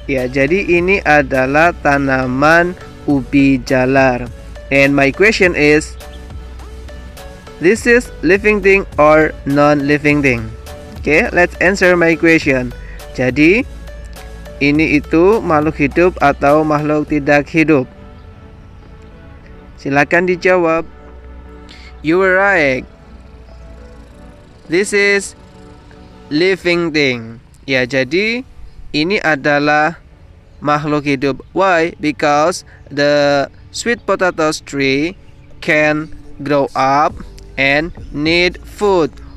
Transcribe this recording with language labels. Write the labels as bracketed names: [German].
[Indonesian] Ya, jadi ini adalah tanaman ubi jalar. [English] And my question is, this is living thing or non-living thing? Okay, let's answer my question. [Indonesian] Jadi, ini itu makhluk hidup atau makhluk tidak hidup? Silakan dijawab. [English] You were right. This is living thing. [Indonesian] Ya, jadi ini adalah makhluk hidup. [English] Why? Because the sweet potato tree can grow up and need food.